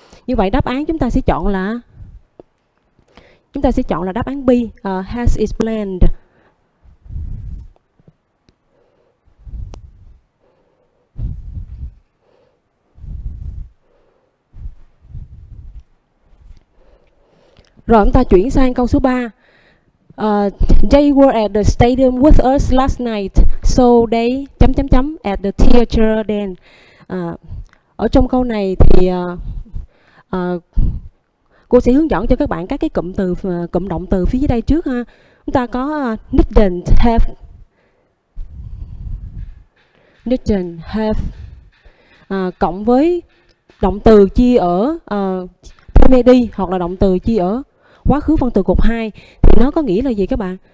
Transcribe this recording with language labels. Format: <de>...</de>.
<vi>Như vậy đáp án chúng ta sẽ chọn là đáp án B,</vi> <en>has explained.</en> <vi>Rồi chúng ta chuyển sang câu số 3.</vi> <en>They were at the stadium with us last night, so they</en> <vi>chấm chấm chấm</vi> <en>at the theater then.</en> <vi>Ở trong câu này thì cô sẽ hướng dẫn cho các bạn các cái cụm từ, cụm động từ phía dưới đây trước ha. Chúng ta có</vi> <en>didn't have</en> <vi>cộng với động từ chi ở made, hoặc là động từ chi ở quá khứ phân từ cột 2, thì nó có nghĩa là gì các bạn?</vi>